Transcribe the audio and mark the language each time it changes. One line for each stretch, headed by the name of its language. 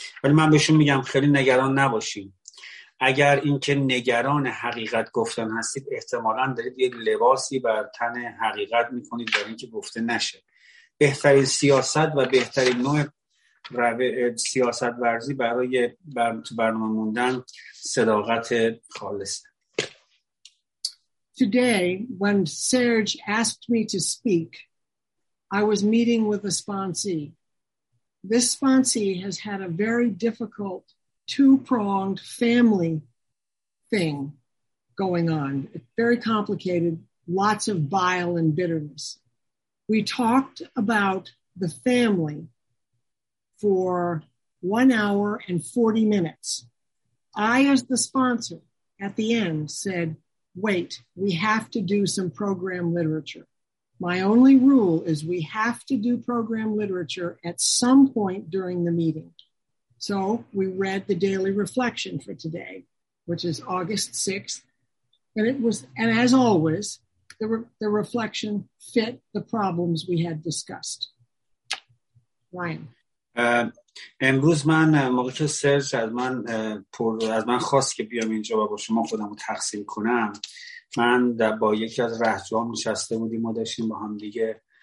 Persian: ولی من بهشون میگم خیلی نگران نباشیم. اگر اینکه نگران حقیقت گفتن هستید احتمالا دارید یه لباسی بر تن حقیقت میکنید برای اینکه گفته نشه. بهترین سیاست و بهترین نوع سیاست ورزی برای برنامه موندن صداقت خالصه.
English: Today, when Serge asked me to speak, I was meeting with a sponsee. This sponsee has had a very difficult two-pronged family thing going on. It's very complicated, lots of bile and bitterness. We talked about the family for 1 hour and 40 minutes. I, as the sponsor, at the end said, wait, we have to do some program literature. My only rule is we have to do program literature at some point during the meeting. So we read the daily reflection for today, which is August 6th. And it was, and as always, the reflection fit the problems we had discussed. Ryan.
Persian: امروز من موقع که سرچ از من خواست که بیام اینجا با شما خودم رو تقسیم کنم، من با یکی از رهجوان نشسته بودیم و داشتیم با هم دیگه